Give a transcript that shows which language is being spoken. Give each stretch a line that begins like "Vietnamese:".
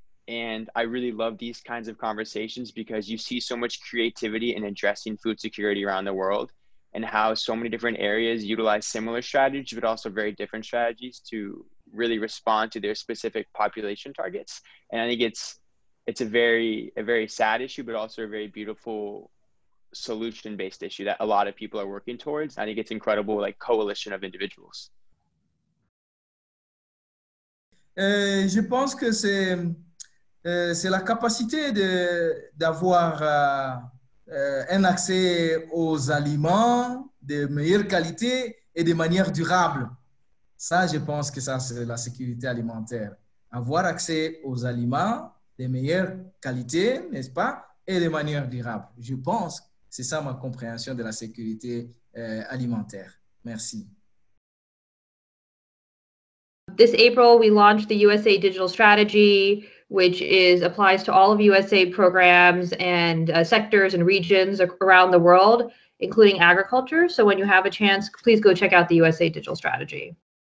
English: And I really love these kinds of conversations because you see so much creativity in addressing food security around the world and how so many different areas utilize similar strategies, but also very different strategies to really respond to their specific population targets. And I think it's a very sad issue, but also a very beautiful solution-based issue that a lot of people are working towards. I think it's incredible, like coalition of individuals.
French: Je pense que c'est la capacité d'avoir un accès aux aliments de meilleure qualité et de manière durable. Ça, je pense que ça, c'est la sécurité alimentaire. Avoir accès aux aliments de meilleure qualité, n'est-ce pas, et de manière durable. Je pense que c'est ça ma compréhension de la sécurité alimentaire. Merci.
English: This April, we launched the USA Digital Strategy, which applies to all of USA programs and sectors and regions around the world, including agriculture. So when you have a chance, please go check out the USA Digital Strategy.